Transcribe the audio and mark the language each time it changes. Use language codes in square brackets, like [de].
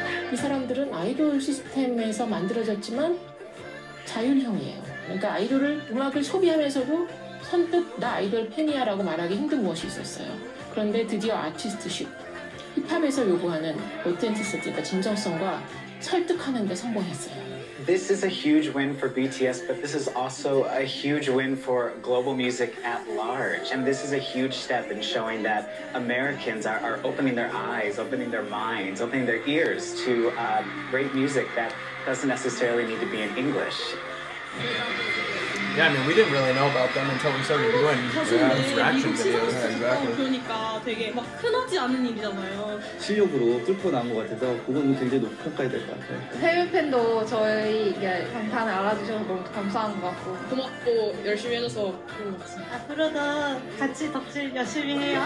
[ko] These 사람들은 아이돌 시스템에서 만들어졌지만 자율형이에요. 그러니까 아이돌을 음악을 소비하면서도 선뜻 나 아이돌 팬이야라고 말하기 힘든 것이 있었어요. 그런데 드디어 아티스트십. 힙합에서 요구하는 오텐티시티가 진정성과 설득하는 데 성공했어요. [en] This is a huge win for BTS, but this is also a huge win for global music at large. And this is a huge step in showing that Americans are opening their eyes, opening their minds, opening their ears to great music that doesn't necessarily need to be in English. Yeah, I mean, we didn't really know about them until we started doing reaction videos. Yeah, exactly. [ko] 그러니까 되게 막 흔하지 않은 일이잖아요. 실력으로 뚫고 나온 것 같아서 그건 굉장히 높은 평가가 될 것 같아요. 해외 팬도 저희 이게 방탄을 알아주셔서 너무 감사한 것 같고 고맙고 열심히 해줘서 그런 것 같습니다. 앞으로도 같이 덕질 열심히 해요.